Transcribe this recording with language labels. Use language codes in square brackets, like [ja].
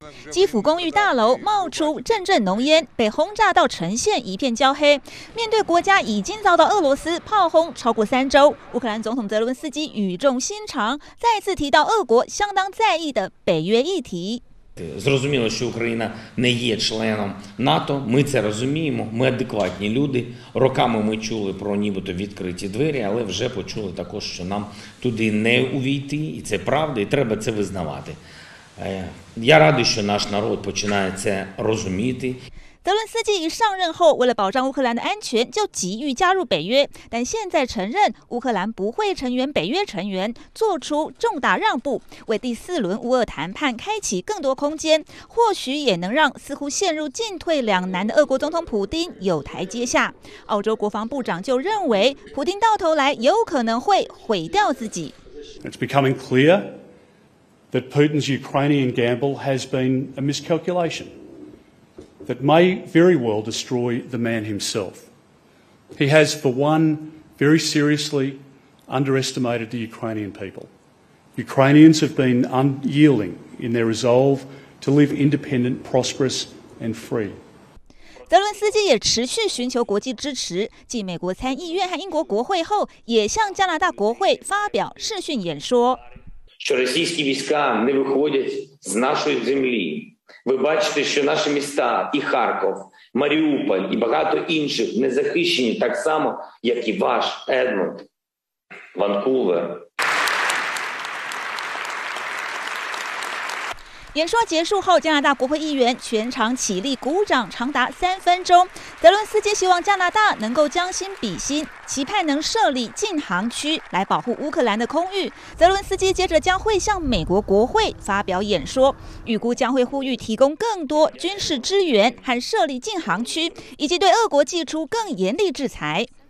[zh] 基辅公寓大楼冒出阵阵浓烟，被轰炸到呈现一片焦黑。面对国家已经遭到俄罗斯炮轰超过三周，乌克兰总统泽伦斯基语重心长，再次提到俄国相当在意的北约议题。 [uk] Зрозуміло, що Україна не є членом НАТО. Ми це розуміємо. Ми адекватні люди. Роками ми чули про нібито відкриті двері, але вже почули також, що нам туди не увійти. І це правда, і треба це визнавати. Я радий, що наш народ починає це розуміти。 [zh] 泽伦斯基一上任后，为了保障乌克兰的安全，就急于加入北约，但现在承认乌克兰不会成员北约成员，做出重大让步，为第四轮乌俄谈判开启更多空间，或许也能让似乎陷入进退两难的俄国总统普丁有台阶下。澳洲国防部长就认为，普丁到头来有可能会毁掉自己。 [en] It's becoming clear. That Putin's Ukrainian gamble has been a miscalculation that may very well destroy the man himself. He has, for one, very seriously underestimated the Ukrainian people. Ukrainians have been unyielding in their resolve to live independent, prosperous, and free. [zh] 泽伦斯基也持续寻求国际支持，继美国参议院和英国国会后，也向加拿大国会发表视讯演说。 [uk] Що російські війська не виходять з нашої землі. Ви бачите, що наші міста і Харков, Маріуполь і багато інших не захищені так само, як і ваш Едмонд, Ванкувер. [zh] 演说结束后，加拿大国会议员全场起立鼓掌，长达三分钟。泽伦斯基希望加拿大能够将心比心，期盼能设立禁航区来保护乌克兰的空域。泽伦斯基接着将会向美国国会发表演说，预估将会呼吁提供更多军事支援和设立禁航区，以及对俄国祭出更严厉制裁。